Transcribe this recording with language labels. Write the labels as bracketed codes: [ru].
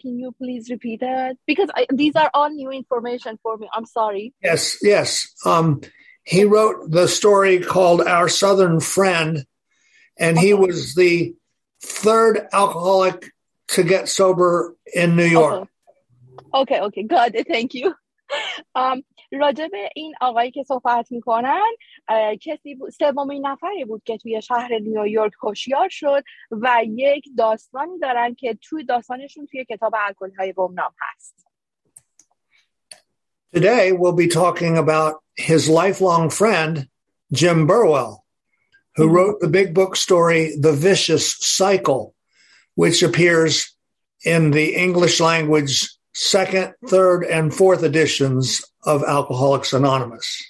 [en] Can you please repeat that? Because these are all new information for me. I'm sorry. Yes, yes. He wrote the story called Our Southern Friend, and he was the third alcoholic to get sober in New York. Okay, okay. Got it. Thank you. [fa] راجع به این آقایی که صحبت میکنن، کسی سومین نفری بود که توی شهر نیویورک هوشیار شد و یک داستانی دارن که توی داستانشون توی کتاب الکل‌های گمنام هست. [en] Today we'll be talking about his lifelong friend Jim Burwell, who wrote the big book story The Vicious Cycle, which appears in the English language second, third, and fourth editions of Alcoholics Anonymous.